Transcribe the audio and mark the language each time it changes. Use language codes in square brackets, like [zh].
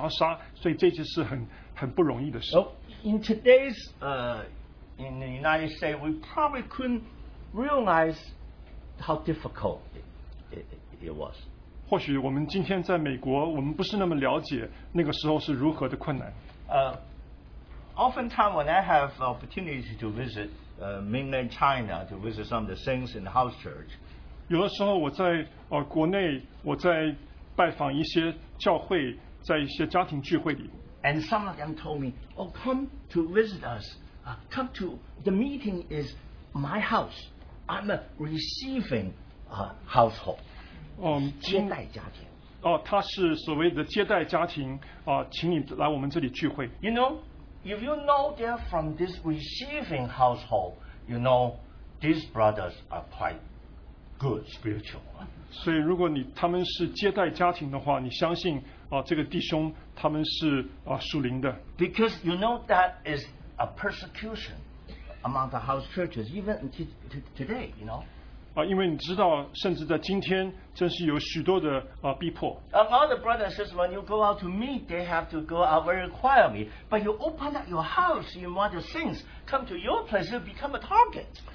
[zh] 因为当我接待耶稣和他的门徒，甚至是那个从死里复活的拉撒路，连这个拉撒路那些犹太人也想要杀，所以这件事很不容易的事。 [en] In today's, in the United States, we probably couldn't realize how difficult it was. [zh] 或许我们今天在美国，我们不是那么了解那个时候是如何的困难。 [en] Oftentimes when I have opportunity to visit mainland China, to visit some of the saints in the house church, [zh] 有的时候我在国内，我在拜访一些教会，在一些家庭聚会里。 [en] And some of them told me, oh, come to visit us. Come to, the meeting is my house. I'm a receiving household. [zh] 接待家庭。他是所谓的接待家庭, 请你来我们这里聚会。 [en] You know, if you know they're from this receiving household, you know these brothers are quite good spiritual. [zh] 所以如果他们是接待家庭的话，你相信。这个弟兄他们是属灵的。 [en] Because you know that is a persecution among the house churches, even today, you know. [zh] 因为你知道，甚至在今天，真是有许多的逼迫。 [en] A lot of brothers and sisters, when you go out to meet, they have to go out very quietly. But you open up your house, you want the things come to your place, you become a target.